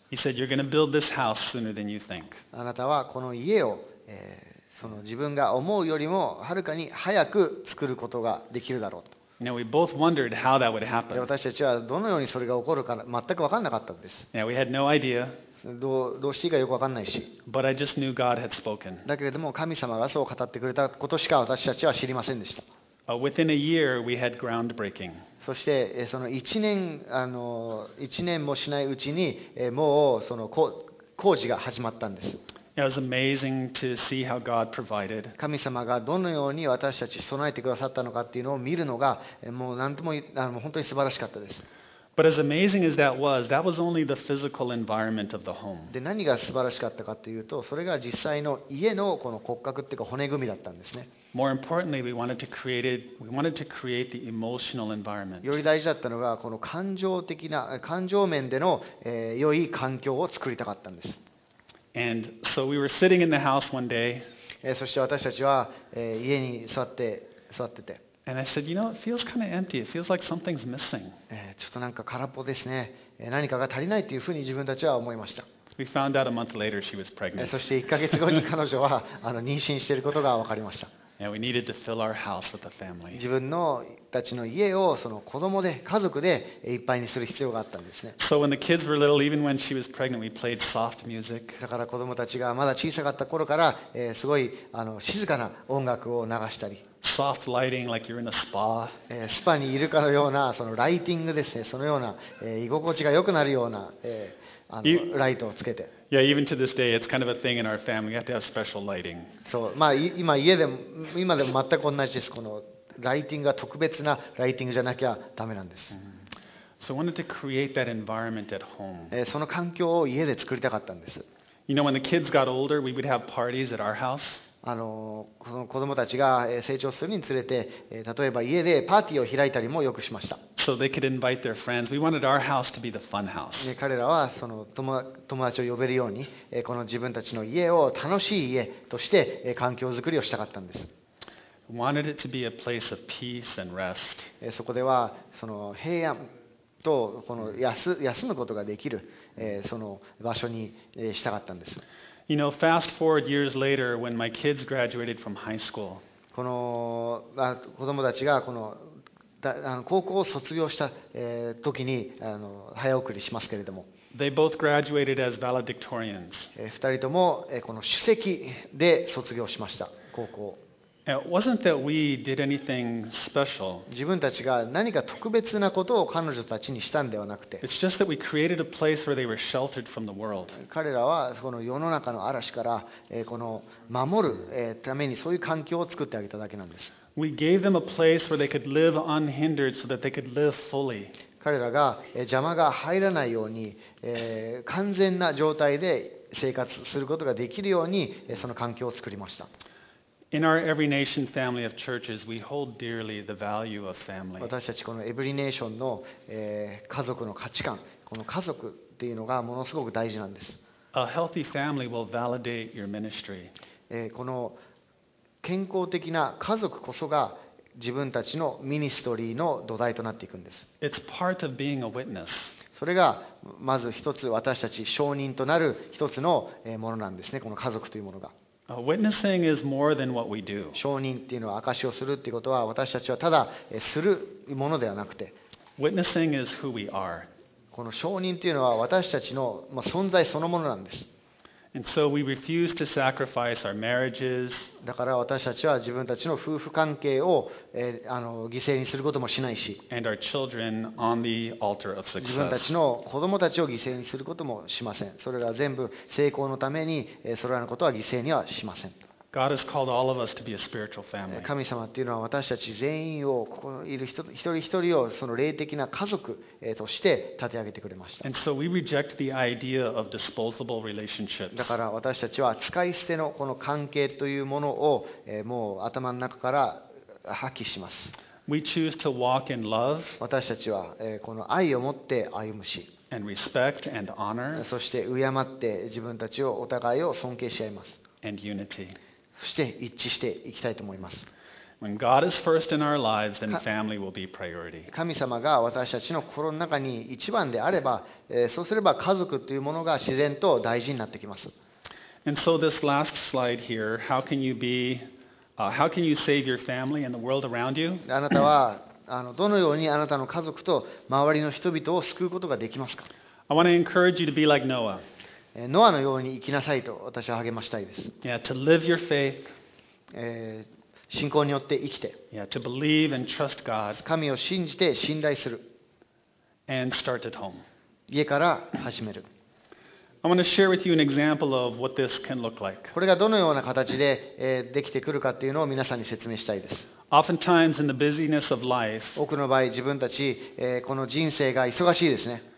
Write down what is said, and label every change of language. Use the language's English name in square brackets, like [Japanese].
[English] He said, "You're going to build this house sooner than you think." [Japanese] あなたはこの家を、その自分が思うよりもはるかに早く作ることができるだろうと。 [English] Now we both wondered how that would happen. [Japanese] 私たちはどのようにそれが起こるか全く分からなかったんです。 [English] Now we had no idea. [Japanese] どうしていいかよく分からないし。 [English] But I just knew God had spoken. [Japanese] だけれども神様がそう語ってくれたことしか私たちは知りませんでした。 [English] Within a year, we had groundbreaking. [Japanese] そしてその1年もしないうちにもうその工事が始まったんです。 [English] It was amazing to see how God provided. [Japanese] 神様がどのように私たち備えてくださったのかっていうのを見るのがもう何とも本当に素晴らしかったです。 [English] But as amazing as that was only the physical environment of the home. [Japanese] で何が素晴らしかったかというと、それが実際の家のこの骨格っていうか骨組みだったんですね。 [English] More importantly, we wanted to create the emotional environment. [Japanese] より大事だったのがこの感情的な感情面での、良い環境を作りたかったんです。 [English] And so we were sitting in the house one day. [Japanese] そして私たちは、家に座ってて。 [English] And I said, you know, it feels kind of empty. It feels like something's missing. [Japanese] ちょっとなんか空っぽですね。何かが足りないというふうに自分たちは思いました。 [English] We found out a month later she was pregnant. [Japanese] そして1ヶ月後に彼女は妊娠していることが分かりました。 [English] And we needed to fill our house with a family. [Japanese] 自分のたちの家をその子供で家族でいっぱいにする必要があったんですね。 [English] So when the kids were little, even when she was pregnant, we played soft music. [Japanese] だから子供たちがまだ小さかった頃から、すごい静かな音楽を流したり。 [English] Soft lighting, like you're in a spa. [Japanese] スパにいるかのようなそのライティングですね。そのような、居心地が良くなるような、ライトをつけて。 [English] Yeah, even to this day, it's kind of a thing in our family. We have to have special lighting. [Japanese] そう、まあ今でも全く同じです。このライティングが特別なライティングじゃなきゃダメなんです。 [English] So I wanted to create that environment at home. [Japanese] その環境を家で作りたかったんです。 [English] You know, when the kids got older, we would have parties at our house. [Japanese] この子供たちが成長するにつれて、例えば家でパーティーを開いたりもよくしました。 [English] So they could invite their friends. We wanted our house to be the fun house. [Japanese] 彼らはその友達を呼べるように、この自分たちの家を楽しい家として環境作りをしたかったんです。 [English] Wanted it to be a place of peace and rest. [Japanese] そこではその平安とこの休むことができる、その場所にしたかったんです。 [English] You know, fast forward years later, when my kids graduated from high school. [Japanese] この子供たちがこの高校を卒業した時に早送りしますけれども、 [English] they both graduated as valedictorians. [Japanese] 二人ともこの首席で卒業しました高校。 [English] It wasn't that we did anything special. [Japanese] 自分たちが何か特別なことを彼女たちにしたんではなくて、 [English] It's just that we created a place where they were sheltered from the world. [Japanese] 彼らはこの世の中の嵐からこの守るためにそういう環境を作ってあげただけなんです。 [English] We gave them a place where they could live unhindered so that they could live fully. [Japanese] 彼らが邪魔が入らないように完全な状態で生活することができるようにその環境を作りました。 [English] In our every nation family of churches, we hold dearly the value of family. [Japanese] 私たちこのエブリネーションの家族の価値観、この家族っていうのがものすごく大事なんです。 [English] A healthy family will validate your ministry. [Japanese] この健康的な家族こそが自分たちのミニストリーの土台となっていくんです。 [English] It's part of being a witness. [Japanese] それがまず一つ私たち証人となる一つのものなんですね。この家族というものが。 [English] Witnessing is more than what we do. [Japanese] 証人っていうのは証しをするっていうことは私たちはただするものではなくて、 [English] Witnessing is who we are. [Japanese] この証人っていうのは私たちの存在そのものなんです。 [English] And so we refuse to sacrifice our marriages. [Japanese] だから私たちは自分たちの夫婦関係を犠牲にすることもしないし、 [English] And our children on the altar of success. [Japanese] 自分たちの子供たちを犠牲にすることもしません。それら全部成功のためにそれらのことは犠牲にはしません。 [English] God has called all of us to be a spiritual family. [Japanese] 神様っていうのは私たち全員をここいる人一人一人をその霊的な家族として立て上げてくれました。 [English] And so we reject the idea of disposable relationships. [Japanese] だから私たちは使い捨てのこの関係というものをもう頭の中から破棄します。 [English] We choose to walk in love. [Japanese] 私たちはこの愛を持って歩むし。 [English] And respect and honor. [Japanese] そして敬って自分たちをお互いを尊敬し合います。 [English] And unity. [Japanese] そして一致していきたいと思います。 [English] When God is first in our lives, then family will be priority. [Japanese] 神様が私たちの心の中に一番であれば、そうすれば家族というものが自然と大事になってきます。 [English] And so this last slide here, how can you save your family and the world around you? [Japanese] あなたはどのようにあなたの家族と周りの人々を救うことができますか? [English] I want to encourage you to be like Noah. [Japanese] ノアのように生きなさいと私は励ましたいです。 [English] Yeah, to live your faith. [Japanese] 信仰によって生きて。 [English] Yeah, to believe and trust God. [Japanese] 神を信じて信頼する。 [English] And start at home. [Japanese] 家から始める。 [English] I want to share with you an example of what this can look like. [Japanese] これがどのような形でできてくるかっていうのを皆さんに説明したいです。 [English] Oftentimes in the busyness of life, [Japanese] 多くの場合自分たちこの人生が忙しいですね。